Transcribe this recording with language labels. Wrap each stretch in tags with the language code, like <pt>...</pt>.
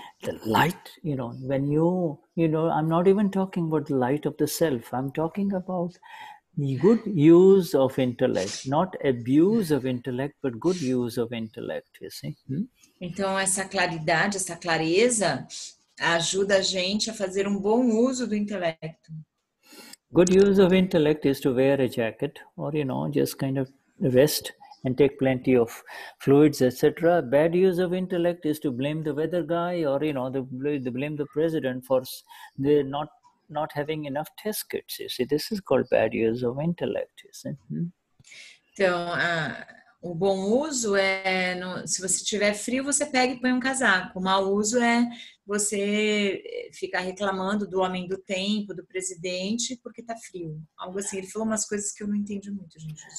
<en>The light, you know, when you know, I'm not even talking about the light of the self. I'm talking about good use of intellect, not abuse of intellect, but good use of intellect, you see?</en> <pt>Então, essa claridade, essa clareza, ajuda a gente a fazer um bom uso do intelecto.</pt> <en>Good use of intellect is to wear a jacket or, you know, just kind of rest and take plenty of fluids, etc. Bad use of intellect is to blame the weather guy or, you know, the blame the president for the not having enough test kits. You see, this is called bad use of intellect, you see.</en> <pt>Então, o bom uso é, no, se você tiver frio, você pega e põe casaco. O mau uso é você ficar reclamando do homem do tempo, do presidente, porque está frio. Algo assim, ele falou umas coisas que eu não entendi muito, gente.</pt>